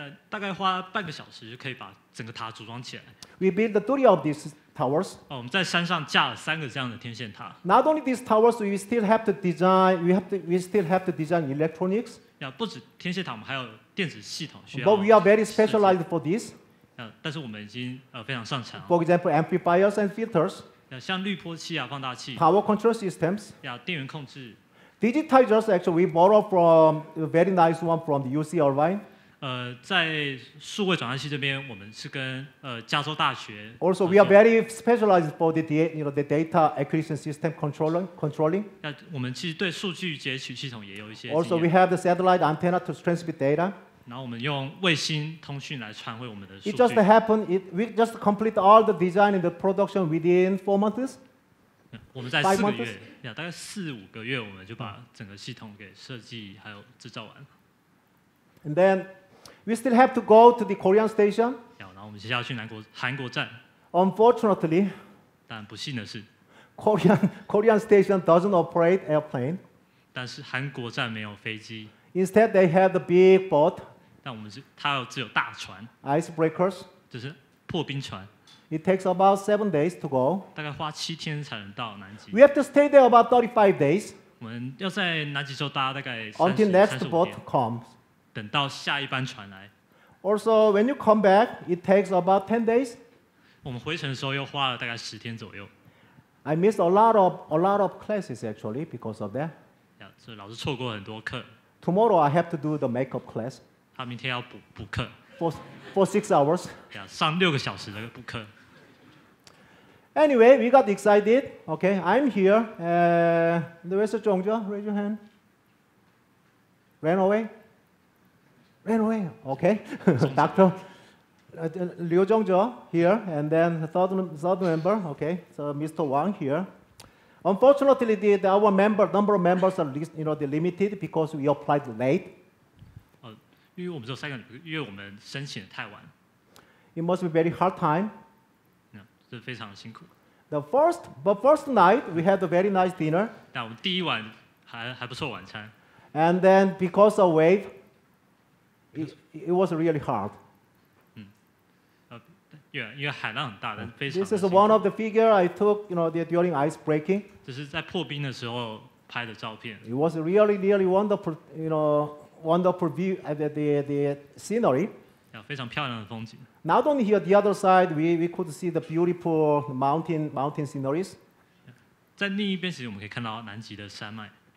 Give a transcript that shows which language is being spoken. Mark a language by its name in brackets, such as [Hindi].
[Chinese] 大概花半个小时就可以把整个塔组装起来。 [English] We built three of these towers. [Chinese] 我们在山上架了三个这样的天线塔。 [English] Not only these towers, we still have to design electronics. [Chinese] 不止天线塔，我们还有电子系统需要。 [English] But we are very specialized for this. [Chinese] 但是我们已经非常擅长。 [English] For example, amplifiers and filters. [Chinese] 像滤波器放大器。 [English] Power control systems. [Chinese] 电源控制。 [English] Digitizers, actually, we borrow from a very nice one from the UC Irvine. [Chinese] 在数位转换器这边，我们是跟加州大学。 [English] Also, we are very specialized for the data acquisition system controlling. [Chinese] 我们其实对数据截取系统也有一些经 [English] 验。Also, we have the satellite antenna to transmit data. [Chinese] 然后我们用卫星通讯来传回我们的数据。 [English] It just happened. We just complete all the design and the production within 4 months. [Chinese] 我们在4个月，大概4-5个月，我们就把整个系统给设计还有制造完。 [English] And then we still have to go to the Korean station. [Chinese] 然后我们接下来去韩国站。 [English] Unfortunately, [Chinese] 但不幸的是 [English] ，Korean station doesn't operate airplane. [Chinese] 但是韩国站没有飞机。 [English] Instead, they have the big boat. [Chinese] 但我们是它只有大船。 [English] Icebreakers. [Chinese] 就是破冰船。 [English] It takes about 7 days to go. [Chinese] 大概花7天才能到南极。 [English] We have to stay there about 35 days. [Chinese] 我们要在南极洲搭大概 [English] until next boat comes. [Chinese] 等到下一班船来。 [English] Also, when you come back, it takes about 10 days. [Chinese] 我们回程的时候又花了大概10天左右。 [English] I missed a lot of classes actually because of that. [Chinese] 所以老师错过很多课。 [English] Tomorrow I have to do the makeup class. [Chinese] 他明天要补课。 [English] For 6 hours. [Chinese] 上6个小时的补课。 [English] Anyway, we got excited. Okay, I'm here. Where's the 종주? Raise your hand. Ran away. Okay, Doctor. Liu 종주 here, and then third member. Okay, so Mr. Wang here. Unfortunately, our number of members are limited because we applied late. [Chinese] 因为我们只有三个，因为我们申请的太晚。 [English] It must be very hard time. [Chinese] 这非常辛苦。 [English] The first night we had a very nice dinner. [Chinese] 但我们第一晚还不错晚餐。 [English] And then because of wave, it was really hard. [Chinese] Yeah, 因为海浪很大，但非 [English] 常。This is one of the figure I took, you know, during ice breaking. [Chinese] 这是在破冰的时候拍的照片。 [English] It was really, really wonderful, you know, wonderful view at the scenery. [Chinese] 非常漂亮的风景。 [English] Not only here, the other side, we could see the beautiful mountain sceneries. [Chinese] 在另一边，其实我们可以看到南极的山脉。